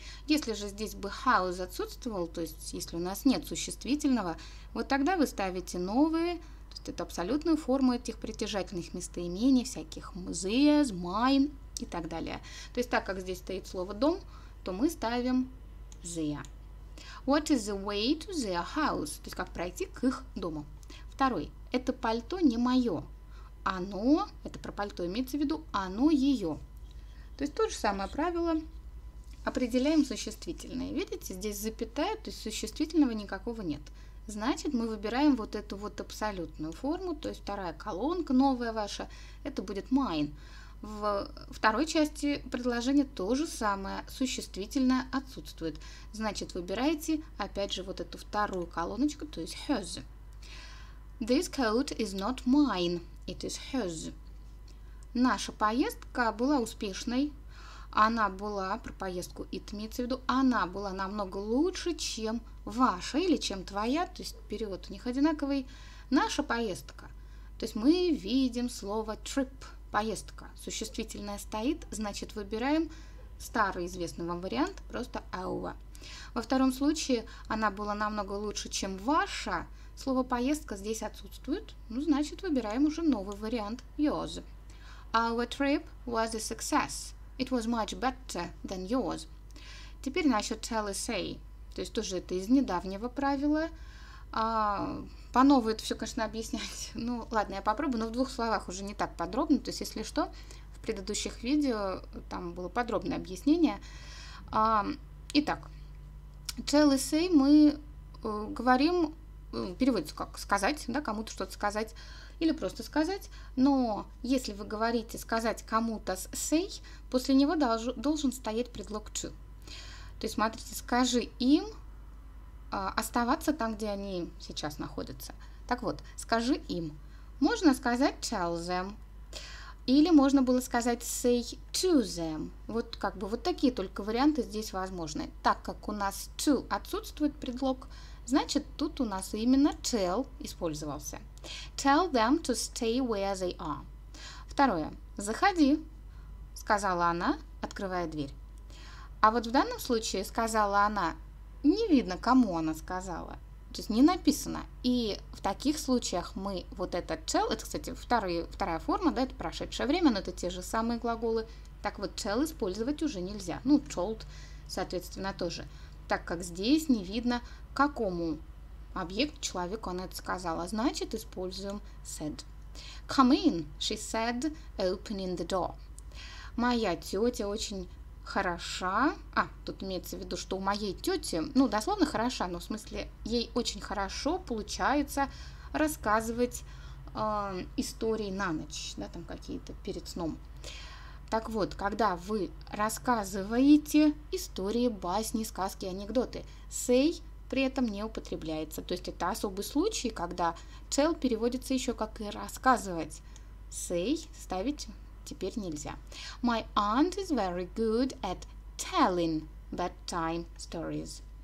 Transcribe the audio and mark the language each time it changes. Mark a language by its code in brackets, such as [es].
[ru] Если же здесь бы house отсутствовал, то есть если у нас нет существительного, вот тогда вы ставите новые, то есть это абсолютную форму этих притяжательных местоимений, всяких theirs, mine и так далее. То есть так как здесь стоит слово дом, то мы ставим their. [en] What is the way to their house? [ru] То есть как пройти к их дому. Второй. Это пальто не мое. Оно, это про пальто имеется в виду, оно ее. То есть то же самое правило. Определяем существительное. Видите, здесь запятая, то есть существительного никакого нет. Значит, мы выбираем вот эту вот абсолютную форму, то есть вторая колонка новая ваша, это будет mine. В второй части предложения то же самое, существительное отсутствует. Значит, выбираете опять же вот эту вторую колоночку, то есть hers. [en] This coat is not mine, it is hers. [ru] Наша поездка была успешной. Она была, про поездку it имеется в виду, она была намного лучше, чем ваша или чем твоя, то есть перевод у них одинаковый. Наша поездка, то есть мы видим слово trip. Поездка. Существительное стоит, значит, выбираем старый известный вам вариант, просто our. Во втором случае она была намного лучше, чем ваша. Слово поездка здесь отсутствует, ну, значит, выбираем уже новый вариант, yours. [en] Our trip was a success. It was much better than yours. [ru] Теперь насчет [en] tell and say. [ru] То есть тоже это из недавнего правила. По новой это все, конечно, объяснять. Ну, ладно, я попробую, но в двух словах уже не так подробно. То есть, если что, в предыдущих видео там было подробное объяснение. Итак, tell and say мы говорим, переводится как сказать, да, кому-то что-то сказать или просто сказать. Но если вы говорите сказать кому-то с say, после него должен стоять предлог to. То есть, смотрите, скажи им оставаться там, где они сейчас находятся. Так вот, скажи им. Можно сказать [en] tell them. [ru] Или можно было сказать [en] say to them. [ru] Вот как бы вот такие только варианты здесь возможны. Так как у нас to отсутствует предлог, значит, тут у нас именно tell использовался. [en] Tell them to stay where they are. [ru] Второе. Заходи, сказала она, открывая дверь. А вот в данном случае сказала она, не видно, кому она сказала. То есть не написано. И в таких случаях мы вот этот tell, это, кстати, вторая форма, да, это прошедшее время, но это те же самые глаголы. Так вот, tell использовать уже нельзя. Ну, told, соответственно, тоже. Так как здесь не видно, какому объекту, человеку она это сказала. Значит, используем said. [en] Come in, she said, opening the door. [ru] Моя тетя очень хороша. А, тут имеется в виду, что у моей тети, ну, дословно хороша, но в смысле, ей очень хорошо получается рассказывать истории на ночь, да, там какие-то перед сном. Так вот, когда вы рассказываете истории, басни, сказки, анекдоты, say при этом не употребляется. То есть это особый случай, когда tell переводится еще как и рассказывать. Say ставить теперь нельзя. [en] My aunt is very good at telling bedtime stories.